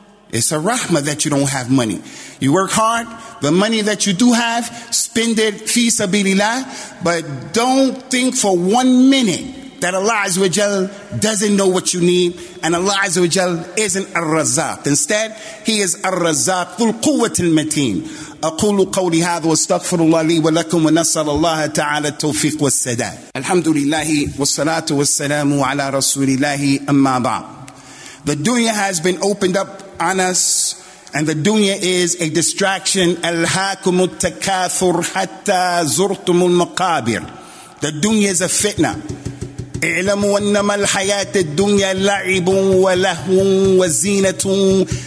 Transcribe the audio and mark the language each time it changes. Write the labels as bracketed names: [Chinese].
[English] It's a rahmah that you don't have money. You work hard. The money that you do have, spend it fi sabilillah. But don't think for 1 minute that Allah Azza wa Jal doesn't know what you need, and Allah Azza wa Jal isn't Ar-Razzaq. Instead, He is Ar-Razzaq, Dhul Quwwat al-Mateen. [Arabic] أقول قولي هذا واستغفر الله لي ولكم ونسأل الله تعالى التوفيق والسداد. الحمد لله والصلاة والسلام على رسول الله أما بعد. [English] The dunya has been opened up on us, and the dunya is a distraction. [Arabic] ألهاكم التكاثر حتى زرتم المقابر. [English] The dunya is a fitna. [Arabic] اعلموا أنما الحياة الدنيا لعب ولهو وزينة.